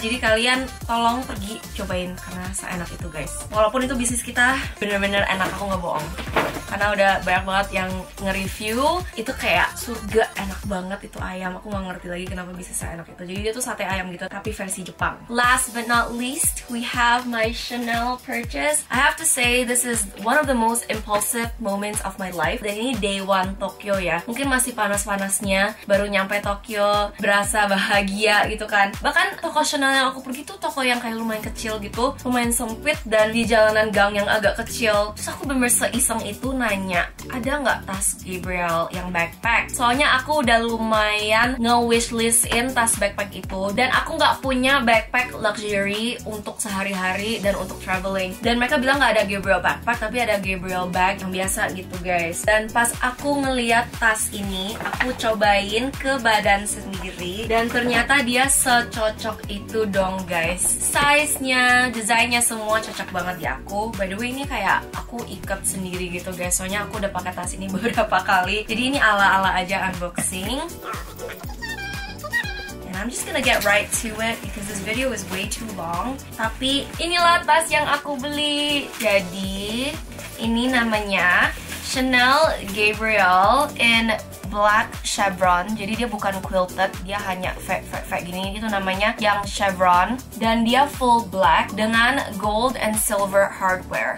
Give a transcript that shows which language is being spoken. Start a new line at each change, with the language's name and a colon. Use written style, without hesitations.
Indonesian: Jadi kalian tolong pergi cobain, karena seenak itu guys. Walaupun itu bisnis kita, bener-bener enak, aku nggak bohong. Karena udah banyak banget yang nge-review, itu kayak surga, enak banget itu ayam. Aku nggak ngerti lagi kenapa bisa seenak itu. Jadi dia tuh sate ayam gitu, tapi versi Jepang.
English: Last but not least, we have my Chanel purchase. I have to say, this is one of the most impulsive moments of my life.
Indonesian: Dan ini day one Tokyo ya. Mungkin masih panas-panasnya, baru nyampe Tokyo, berasa bahagia gitu kan. Bahkan toko Chanel yang aku pergi tuh toko yang kayak lumayan kecil gitu, lumayan sempit, dan di jalanan gang yang agak kecil. Terus aku bener-bener seiseng itu nanya, ada nggak tas Gabriel yang backpack? Soalnya aku udah lumayan nge-wishlist-in tas backpack itu, dan aku nggak punya backpack luxury untuk sehari-hari dan untuk traveling. Dan mereka bilang nggak ada Gabriel backpack, tapi ada Gabriel bag yang biasa gitu guys. Dan pas aku ngeliat tas ini, aku cobain ke badan sendiri, dan ternyata dia secocok itu dong guys. Size-nya, desainnya semua cocok banget di aku. By the way, ini kayak aku ikat sendiri gitu guys, soalnya aku udah pakai tas ini beberapa kali. Jadi ini ala-ala aja unboxing.
English: I'm just gonna get right to it because this video is way too long.
Indonesian: Tapi inilah tas yang aku beli. Jadi ini namanya Chanel Gabriel in black chevron. Jadi dia bukan quilted, dia hanya fat gini. Itu namanya yang chevron, dan dia full black dengan
English: gold and silver hardware.